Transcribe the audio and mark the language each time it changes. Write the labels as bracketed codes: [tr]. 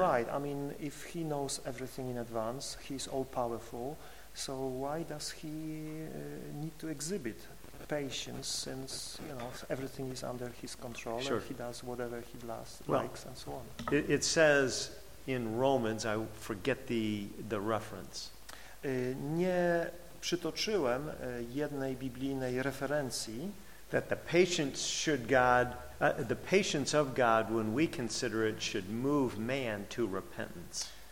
[en] Right. I mean, if he knows everything in advance, he's all-powerful, so why does he need to exhibit patience since, you know, everything is under his control, sure, and he does whatever he likes and so on? It says in Romans, I forget the reference. [pl] Nie przytoczyłem jednej biblijnej referencji. [en] That the patience of God, when we consider it, should move man to repentance.